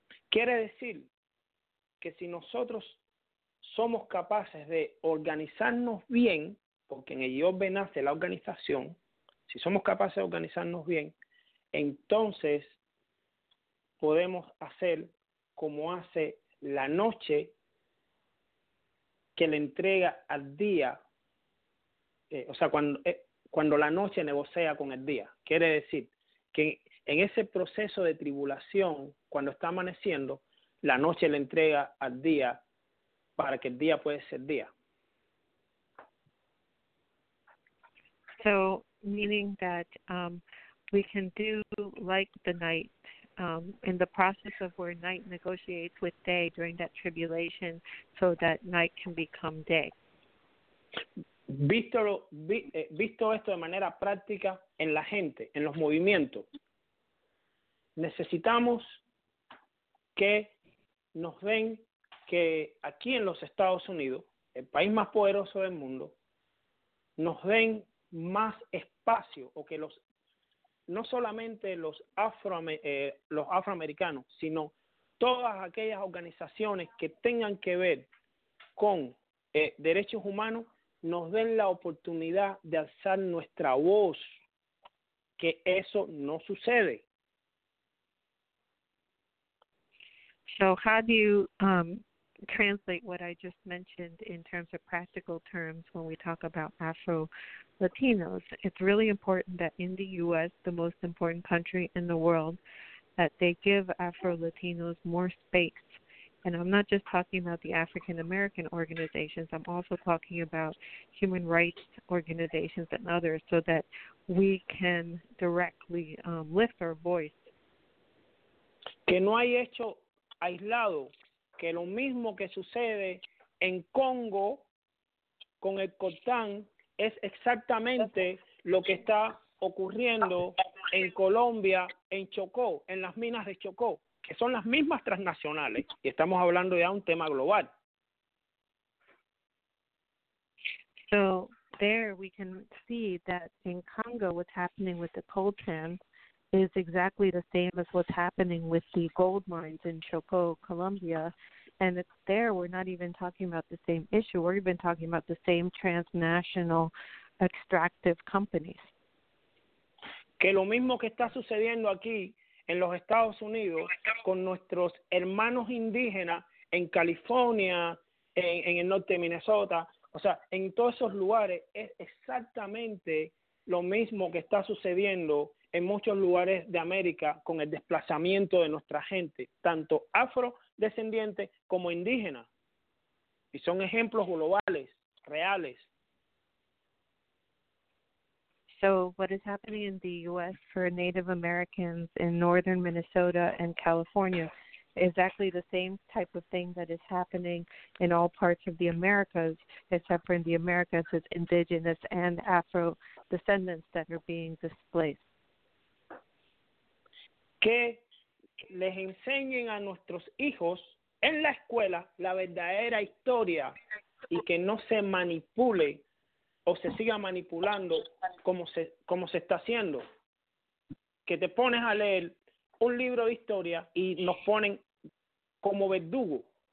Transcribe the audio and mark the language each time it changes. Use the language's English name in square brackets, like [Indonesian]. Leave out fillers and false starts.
[Spanish] Quiere decir que si nosotros somos capaces de organizarnos bien, porque en el Yobe nace la organización, si somos capaces de organizarnos bien, entonces podemos hacer como hace la noche que le entrega al día, o sea, cuando la noche negocia con el día. Quiere decir que en ese proceso de tribulación, cuando está amaneciendo, la noche le entrega al día para que el día pueda ser día. [English] So, meaning that we can do like the night in the process of where night negotiates with day during that tribulation so that night can become day. [Spanish] Visto esto de manera práctica en la gente, en los movimientos, necesitamos que nos den que aquí en los Estados Unidos, el país más poderoso del mundo, nos den más espacio o que los no solamente los afroamericanos sino todas aquellas organizaciones que tengan que ver con derechos humanos nos den la oportunidad de alzar nuestra voz, que eso no sucede. [English] So how do you translate what I just mentioned in terms of practical terms when we talk about Afro Latinos, it's really important that in the U.S., the most important country in the world, that they give Afro-Latinos more space. And I'm not just talking about the African-American organizations. I'm also talking about human rights organizations and others so that we can directly lift our voice. [Spanish] Que no hay hecho aislado, que lo mismo que sucede en Congo con el coltán es exactamente lo que está ocurriendo en Colombia, en Chocó, en las minas de Chocó, que son las mismas transnacionales. Y estamos hablando ya de un tema global. [English] So there we can see that in Congo what's happening with the coltan is exactly the same as what's happening with the gold mines in Chocó, Colombia. And it's there, we're not even talking about the same issue. We're even talking about the same transnational extractive companies. [Spanish] Que lo mismo que está sucediendo aquí en los Estados Unidos con nuestros hermanos indígenas en California, en el norte de Minnesota, O sea, en todos esos lugares es exactamente lo mismo que está sucediendo en muchos lugares de América con el desplazamiento de nuestra gente, tanto afrodescendiente como indígena. Y son ejemplos globales, reales. [English] So what is happening in the U.S. for Native Americans in northern Minnesota and California, exactly the same type of thing that is happening in all parts of the Americas, except for in the Americas, it's indigenous and Afro descendants that are being displaced. [Spanish] Que les enseñen a nuestros hijos en la escuela la verdadera historia y que no se manipule o se siga manipulando como se está haciendo. Que te pones a leer un libro de historia y nos ponen como verdugo.